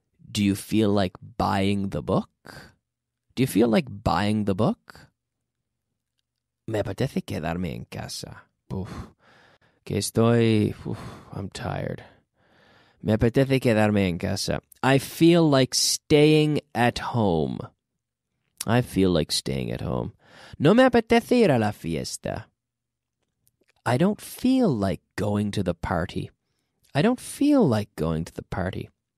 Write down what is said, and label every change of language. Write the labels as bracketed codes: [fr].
[en] Do you feel like buying the book? Do you feel like buying the book? [es] Me apetece quedarme en casa. Uf, que estoy... Uf, [en] I'm tired. [es] Me apetece quedarme en casa. [en] I feel like staying at home. I feel like staying at home. [es] No me apetece ir a la fiesta. [en] I don't feel like going to the party. I don't feel like going to the party.